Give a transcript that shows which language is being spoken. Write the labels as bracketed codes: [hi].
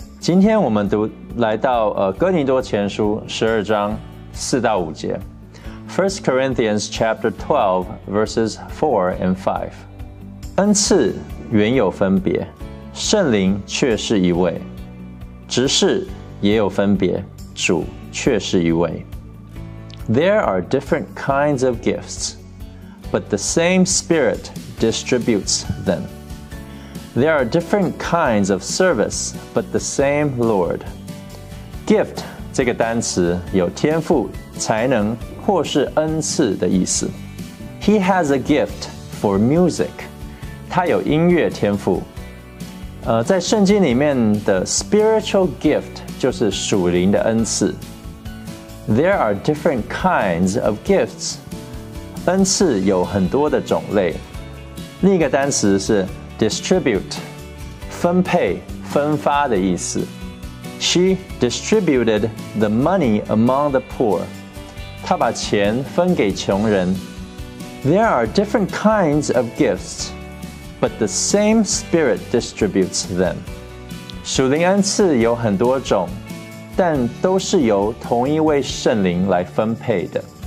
[zh] 今天我们来到哥林多前书12章4到5节， [en] 1 Corinthians chapter 12 verses 4 and 5。 [zh] 恩赐原有分别，圣灵却是一位，执事也有分别，主却是一位。 [en] There are different kinds of gifts, but the same Spirit distributes them. There are different kinds of service, but the same Lord. [zh] Gift 这个单词有天赋、才能或是恩赐的意思。 [en] He has a gift for music. [zh] 他有音乐天赋。在圣经里面的 spiritual gift 就是属灵的恩赐。 [en] There are different kinds of gifts. [zh] 恩赐有很多的种类。另一个单词是distribute， 分配、分发的意思。 [en] She distributed the money among the poor. [zh] 她把钱分给穷人。 [en] There are different kinds of gifts, but the same Spirit distributes them. [zh] 属灵恩赐有很多种，但都是由同一位圣灵来分配的。